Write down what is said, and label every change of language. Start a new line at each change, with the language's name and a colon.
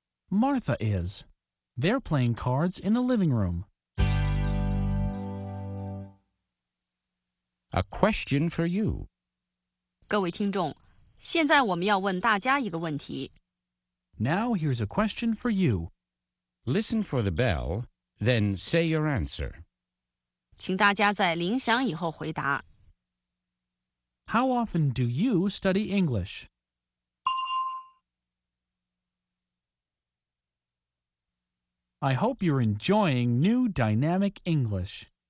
English: Martha is. They're playing cards in the living room. A question for you.
Chinese: 各位听众，现在我们要问大家一个问题。
English: Now here's a question for you. Listen for the bell, then say your answer.
Chinese: 请大家在铃响以后回答。
English: How often do you study English? I hope you're enjoying new dynamic English.